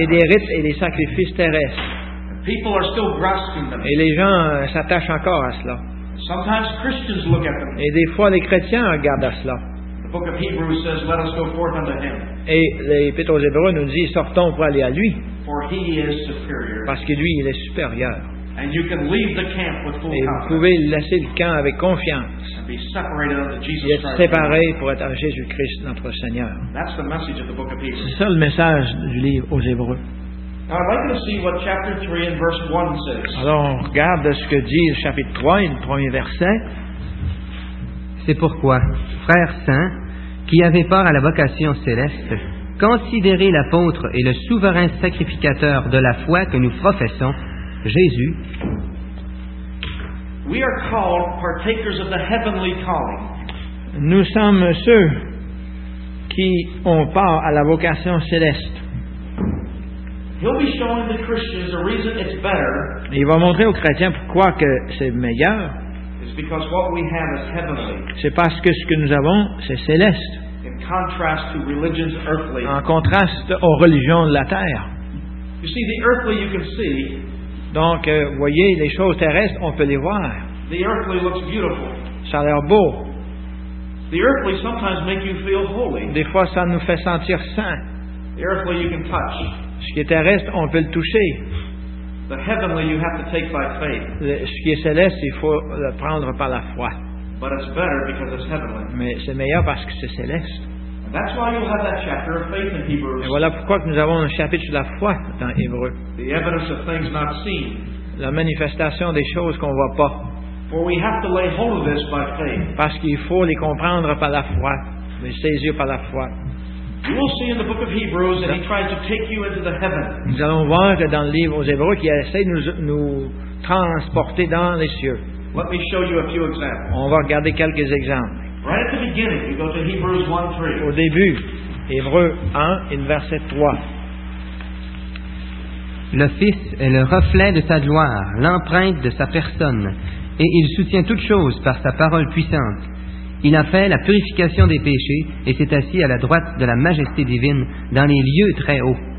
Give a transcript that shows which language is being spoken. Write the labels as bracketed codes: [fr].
[fr] Et des rites et des sacrifices terrestres. [en] People are still grasping them. [fr] Et les gens s'attachent encore à cela. [en] Sometimes Christians look at them. [fr] Et des fois les chrétiens regardent à cela. [en] The book of Hebrews says, "Let us go forth unto him." [fr] Et l'épître aux Hébreux nous dit, sortons pour aller à lui. [en] For he is superior. [fr] Parce que lui, il est supérieur. [en] And you can leave the camp with full confidence. [fr] Et vous pouvez laisser le camp avec confiance. [en] And be separated unto Jesus Christ. [fr] Et être séparé pour être à Jésus-Christ, notre Seigneur. [en] That's the message of the book of Hebrews. [fr] C'est ça le message du livre aux Hébreux. [en] Now I'd like to see what chapter 3 and verse 1 says. [fr] Alors, on regarde ce que dit le chapitre 3, le premier verset. C'est pourquoi, frères saints, qui avez part à la vocation céleste, considérez l'apôtre et le souverain sacrificateur de la foi que nous professons, Jésus. [en] We are called partakers of the heavenly calling. [fr] Nous sommes ceux qui ont part à la vocation céleste. [en] He'll be showing the Christians the reason it's better. [fr] Il va montrer aux chrétiens pourquoi que c'est meilleur. [en] It's because what we have is heavenly. [fr] C'est parce que ce que nous avons, c'est céleste. [en] In contrast to religions earthly. [fr] En contraste aux religions de la terre. [en] You see, the earthly you can see. [fr] Donc, voyez, les choses terrestres, on peut les voir. [en] The earthly looks beautiful. [fr] Ça a l'air beau. [en] The earthly sometimes make you feel holy. [fr] Des fois, ça nous fait sentir saint. [en] The earthly you can touch. [fr] Ce qui est terrestre, on peut le toucher. [en] The heavenly you have to take by faith. [fr] Ce qui est céleste, il faut le prendre par la foi. [en] But it's better because it's heavenly. [fr] Mais c'est meilleur parce que c'est céleste. [en] And that's why you have that chapter of faith in Hebrews. [fr] Et voilà pourquoi nous avons un chapitre sur la foi dans Hébreux. [en] The evidence of things not seen. [fr] La manifestation des choses qu'on ne voit pas. [en] For we have to lay hold of this by faith. [fr] Parce qu'il faut les comprendre par la foi, les saisir par la foi. [en] You will see in the book of Hebrews that he tries to take you into the heaven. [fr] Nous allons voir que dans le livre aux Hébreux, qu'il essaie de nous transporter dans les cieux. [en] Let me show you a few examples. [fr] On va regarder quelques exemples. [en] Right at the beginning, you go to Hebrews 1:3. [fr] Au début, Hébreux 1, et verset 3. Le Fils est le reflet de sa gloire, l'empreinte de sa personne, et il soutient toutes choses par sa parole puissante. Il a fait la purification des péchés et s'est assis à la droite de la majesté divine dans les lieux très hauts.